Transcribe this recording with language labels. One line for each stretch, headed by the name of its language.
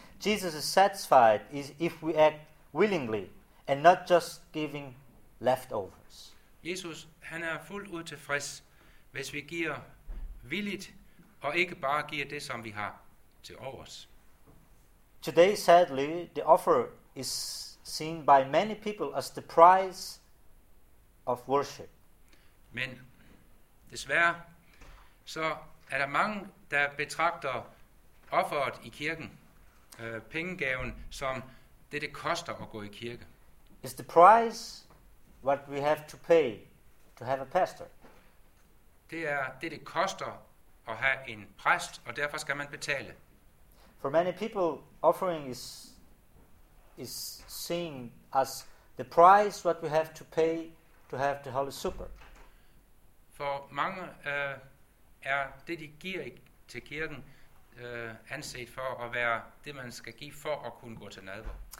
English: Jesus is satisfied if we act willingly and not just giving leftovers.
Danish: Jesus, han er fuldt ud tilfreds, hvis vi giver villigt og ikke bare giver det, som vi har til overs.
English: Today, sadly, the offer is seen by many people as the price of worship.
Danish: Men desværre, så er der mange, der betragter offeret i kirken, pengegaven, som det koster at gå i kirke.
English: Is the price what we have to pay to have a pastor?
Danish: Det er det koster at have en præst, og derfor skal man betale.
English: For many people, offering is seen as the price what we have to pay to have the Holy Super.
Danish: For mange er det de giver til kirken anset for at være det man skal give for at kunne gå til nadver.